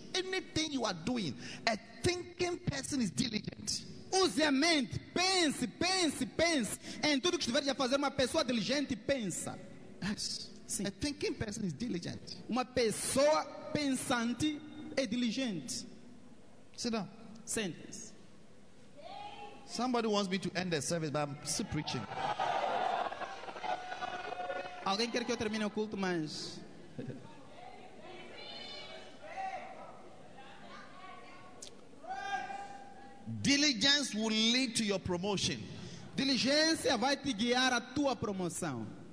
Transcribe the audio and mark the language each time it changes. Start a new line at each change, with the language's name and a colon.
English: Anything you are doing, a thinking person is diligent.
Portuguese: Use a mente, pense, pense, pense. Em tudo que estiveres a fazer, uma pessoa diligente pensa.
English: Yes.
Portuguese: Sim.
English: A thinking person is diligent.
Portuguese: Uma pessoa pensante é diligente.
English: Sit down. Sentence. Somebody wants me to end the service, but I'm still preaching.
Portuguese: Alguém quer que eu termine o culto, mas...
English: Diligence will lead to your promotion.
Portuguese: Diligência vai te guiar à tua promoção.